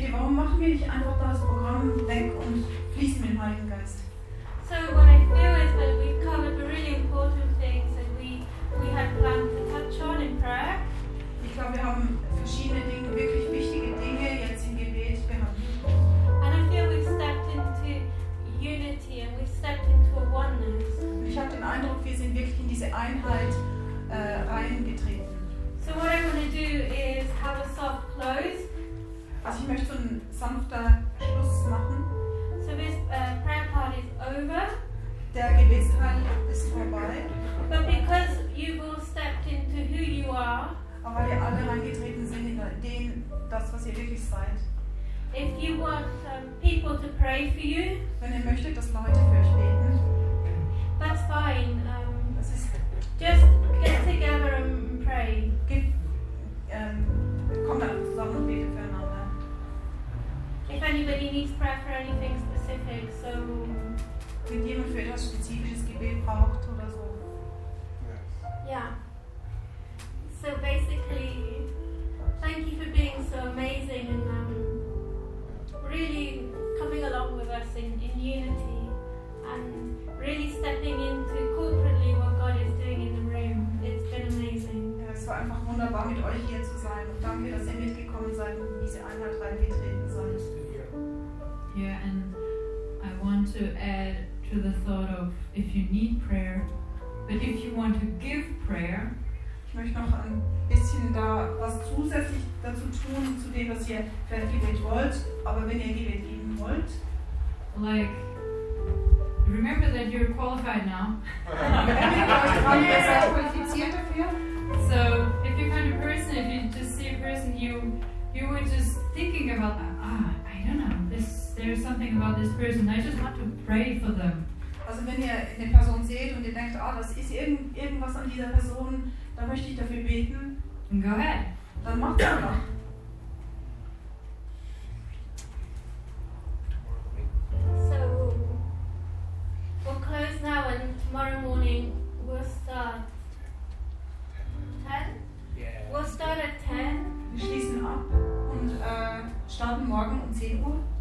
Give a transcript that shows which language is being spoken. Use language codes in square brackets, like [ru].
[de] machen wir nicht einfach das Programm weg und fließen mit dem Heiligen Geist? [en] So what I feel is that we've covered really important things that we had planned to touch on in prayer. [de] Ich glaube, wir haben verschiedene Dinge, wirklich wichtige Dinge jetzt im Gebet behandelt. [en] And I feel we've stepped into unity and we've stepped into a oneness. [de] Und ich habe den Eindruck, wir sind wirklich in diese Einheit reingetreten. [en] So what I want to do is have a soft close. [de] Also ich möchte so einen sanften Schluss machen. [en] So this prayer part is over. [de] Der Gebetsteil ist vorbei. [en] But because you've all stepped into who you are. [de] Aber weil ihr alle reingetreten sind in den, das, was ihr wirklich seid. [en] If you want people to pray for you. [de] Wenn ihr möchtet, dass Leute für euch beten. [en] That's fine. [de] Das ist [en] just get together and pray. [de] Kommt dann zusammen und betet für einander. [en] If anybody needs prayer for anything specific, so. [de] Wenn jemand für etwas spezifisches Gebet braucht oder so. Ja. [en] Yeah. So basically, thank you for being so amazing and really coming along with us in unity and really stepping into corporately what God is doing in the room. It's been amazing. [de] Ja, es war einfach wunderbar, mit euch hier zu sein. Und danke, dass ihr mitgekommen seid und diese Einheit reingetreten seid. [en] Yeah, and I want to add to the thought of if you need prayer, but if you want to give prayer. [de] Ich möchte noch ein bisschen da was zusätzlich dazu tun, zu dem, was ihr für ein Gebet wollt, aber wenn ihr ein Gebet geben wollt. [en] Like, remember that you're qualified now. [de] Qualifiziert dafür. [en] So, if you find a person, if you just see a person, you were just thinking about that. I don't know, there's something about this person, I just want to pray for them. [de] Also wenn ihr eine Person seht und ihr denkt, das ist irgendwas an dieser Person, dann möchte ich dafür beten. [en] And go ahead. [de] Dann macht es einfach. [en] So, we'll close now and tomorrow morning we'll start. 10? Yeah. We'll start at 10. [de] Wir schließen ab und starten morgen um 10 Uhr.